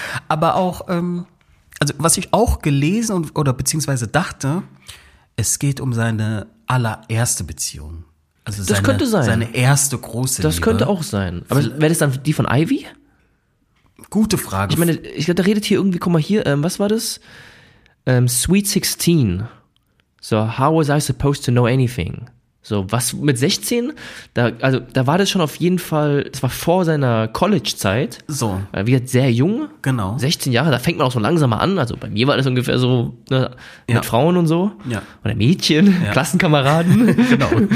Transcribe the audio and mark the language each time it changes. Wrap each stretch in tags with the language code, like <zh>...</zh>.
<de>Aber auch, also was ich auch gelesen und, oder beziehungsweise dachte, es geht um seine allererste Beziehung. Also das könnte sein. Seine erste große Liebe. Das könnte auch sein. Aber wäre das dann die von Ivy? Gute Frage. Ich meine, ich glaube, da redet hier irgendwie, guck mal hier, was war das?</de> <en>Sweet 16. So, how was I supposed to know anything?</en> <de>So, was mit 16? Da war das schon auf jeden Fall, das war vor seiner College-Zeit. So. Er wird sehr jung. Genau. 16 Jahre, da fängt man auch so langsamer an. Also bei mir war das ungefähr so, ne, ja, mit Frauen und so. Ja. Oder Mädchen, ja. Klassenkameraden. Genau.</de>